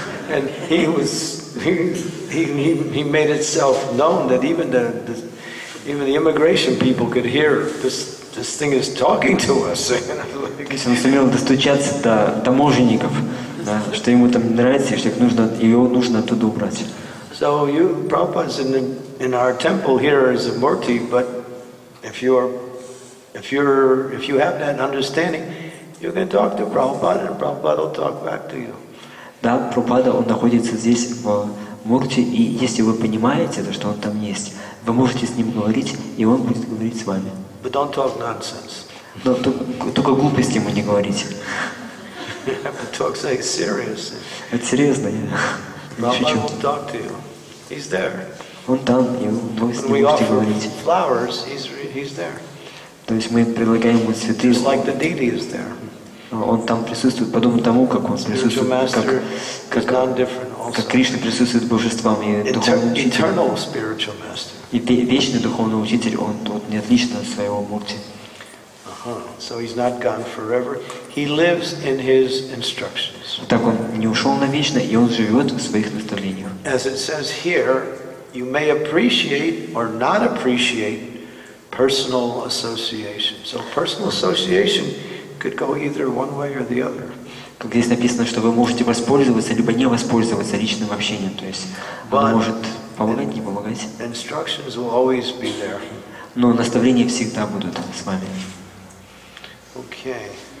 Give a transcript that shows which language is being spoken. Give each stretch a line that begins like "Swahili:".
English: And he made itself known that even the immigration people could hear this thing is talking to us.
Russian: Он сумел достучаться до таможенников, да, что ему там нравится, что его нужно оттуда убрать.
English: So you, Prabhupada's in our temple here is a murti, but if you have that understanding. You can talk to Prabhupada, and Prabhupada will talk back to you.
Russian: Да, Прабхупада, он находится здесь в мурти, и если вы понимаете, что он там есть, вы можете с ним говорить, и он будет говорить с вами.
English: But don't talk nonsense.
Russian: Но только глупости ему не говорить.
English: But talk like serious.
Russian: Это серьезно, я.
English: Prabhupada will talk to you. He's there.
Russian: Он там, и вы с ним можете говорить.
English: When we offer flowers, he's there.
Russian: То есть мы предлагаем ему цветы.
English: Just like the deity is there.
Russian: Он там присутствует, подобно тому, как он присутствует, как Кришна присутствует Божеством и духовным учителем. И вечный духовный учитель, он тут не отлично от своего мурти.
English: So he's not gone forever. He lives in his instructions.
Russian: Так он не ушел навечно, и он живет в своих наставлениях.
English: As it says here, you may appreciate or not appreciate personal association. So personal association could go either one way or the other.
Russian: Как здесь написано, что вы можете воспользоваться либо не воспользоваться личным общением, то есть оно может помогать, не помогать.
English: Instructions will always be there.
Russian: Но наставления всегда будут с вами.
English: Okay.